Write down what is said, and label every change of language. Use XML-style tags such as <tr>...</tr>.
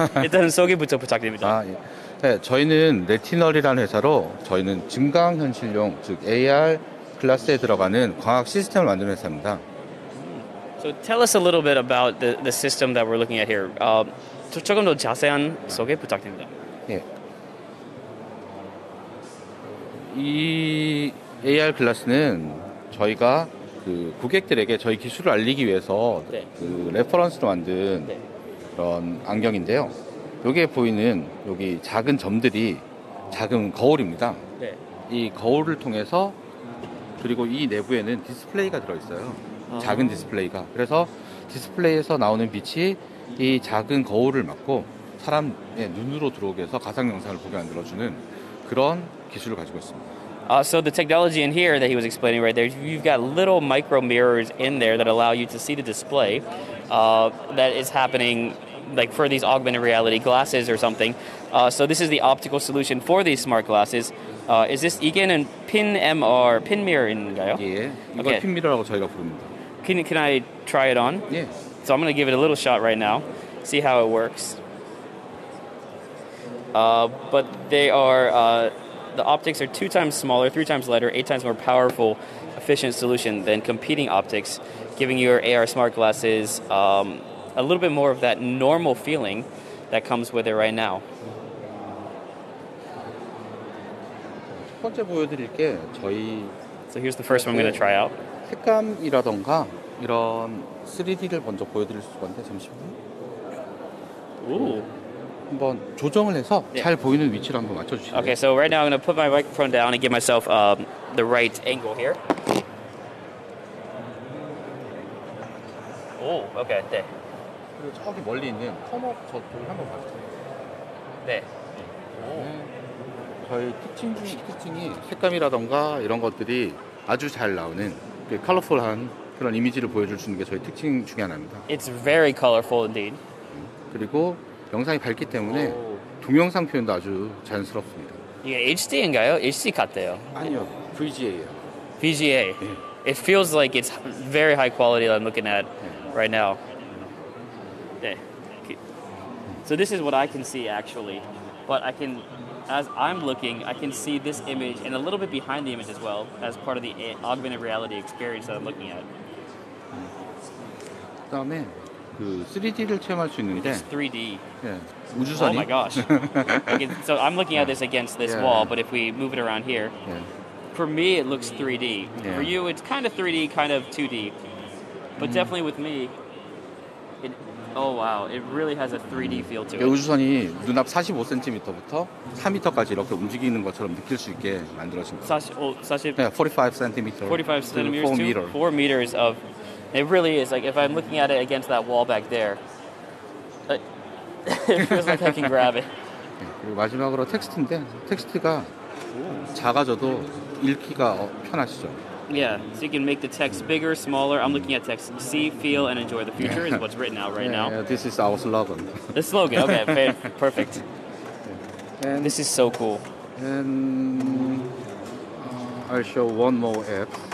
<ko>일단 소개부터 부탁드립니다. 아, 예. 네, 저희는 레티널이라는 회사로 저희는 증강현실용, 즉 AR 클래스에 들어가는 광학 시스템을 만드는 회사입니다.</ko> <en>So tell us a little bit about the system that we're looking at here.</en> <ko>조금 더 자세한 소개 부탁드립니다. 예. 이 AR 글래스는 저희가 그 고객들에게 저희 기술을 알리기 위해서 네. 그 레퍼런스로 만든 네. 그런 안경인데요. 여기에 보이는 여기 작은 점들이 작은 거울입니다. 네. 이 거울을 통해서 그리고 이 내부에는 디스플레이가 들어있어요. 작은 디스플레이가. 그래서 디스플레이에서 나오는 빛이 이 작은 거울을 막고 사람의 눈으로 들어오게 해서 가상 영상을 보게 만들어 주는 그런 기술을 가지고 있습니다.</ko> <en>So the technology in here that he was explaining right there, you've got little micro mirrors in there that allow you to see the display that is happening like for these augmented reality glasses or something. So this is the optical solution for these smart glasses. Is this</en> <ko>이게는 pin MR, pin mirror인가요? 예. 이걸 okay. pin mirror라고 저희가 부릅니다.</ko> <en>Can I try it on? Yes. So I'm going to give it a little shot right now, see how it works. But they are, the optics are 2 times smaller, 3 times lighter, 8 times more powerful, efficient solution than competing optics, giving your AR smart glasses a little bit more of that normal feeling that comes with it right now.</en> <ko>첫 번째 보여드릴 게 저희...</ko> <en>So here's the first one I'm going to try out.</en> <ko>색감이라던가 이런 3D를 먼저 보여드릴 수 있는데 잠시만. 오. 한번 조정을 해서 yeah. 잘 보이는 위치를 한번 맞춰 주시면.</ko> <en>Okay, so right now I'm going to put my microphone down and give myself the right angle here. 오, okay, 네.</en> <ko>그리고 저기 멀리 있는 컴업 저쪽을 한번 봐주세요. 네. 오. 저희 특징이 색감이라던가 이런 것들이 아주 잘 나오는 그 컬러풀한 그런 이미지를 보여줄 수 있는 게 저희 특징 중에 하나입니다.</ko> <en>It's very colorful indeed.</en> <ko>그리고 영상이 밝기 때문에 오. 동영상 표현도 아주 자연스럽습니다. 이게 HD인가요? HD 같대요. 아니요. VGA예요. VGA. 네.</ko> <en>It feels like it's very high quality that I'm looking at 네. right now. 네. So this is what I can see actually. But I can, as I'm looking, I can see this image and a little bit behind the image as well as part of the augmented reality experience that I'm looking at.</en> <ko>다음에 그 3D를 체험할 수 있는데.</ko> <en>It's 3D.</en> <ko>예. 우주선이.</ko> <en>Oh my gosh. Can, so I'm looking at this against this yeah. wall, but if we move it around here, yeah. for me it looks 3D. Yeah. For you it's kind of 3D, kind of 2D. But definitely with me, it, oh wow, it really has a 3D feel to it.</en> <ko>우주선이 눈앞 45cm부터 3m까지 이렇게 움직이는 것처럼 느낄 수 있게 만들어진</ko> <en>45cm, 4 meters of, it really is, like if I'm looking at it against that wall back there, it feels like I can grab it.</en> <ko>그리고 마지막으로 텍스트인데, 텍스트가 작아져도 읽기가 편하시죠.</ko> <en>Yeah, so you can make the text bigger, smaller. I'm looking at text. See, feel, and enjoy the future is what's written out right yeah, now. Yeah, this is our slogan. The slogan, okay, perfect. And this is so cool. And I'll show one more app.</en>